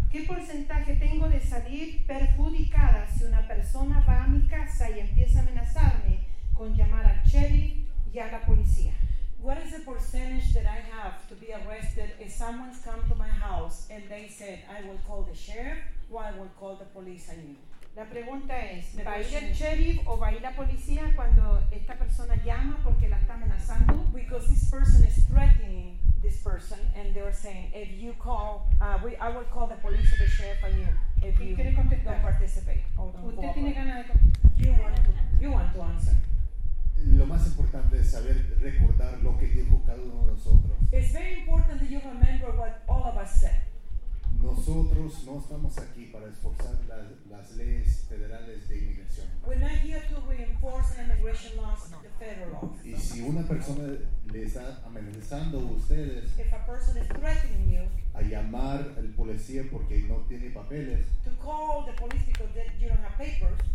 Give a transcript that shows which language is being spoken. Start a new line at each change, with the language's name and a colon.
Spanish: ¿Qué porcentaje tengo de salir perjudicada si una persona va a mi casa y empieza a amenazarme con llamar al sheriff y a la policía?
English: What is the percentage that I have to be arrested if someone's come to my house and they said I will call the sheriff or I will call the police on you?
Spanish: La pregunta es, ¿va a ir el sheriff o va a ir la policía cuando esta persona llama porque la está amenazando?
English: Because this person is threatening this person and they are saying, if you call, I will call the police or the sheriff on you if you don't participate.
Spanish: ¿Usted tiene ganas de
English: you want to answer?
Spanish: Lo más importante es saber recordar lo que dijo cada uno de nosotros.
English: It's very important that you remember what all of us said.
Spanish: Nosotros no estamos aquí para esforzar las leyes federales de inmigración.
English: We're not here to reinforce the immigration laws, the federal laws.
Spanish: Y si una persona le está amenazando a ustedes,
English: if a person is threatening you,
Spanish: a llamar al policía porque no tiene papeles,
English: to call the police because you don't have papers,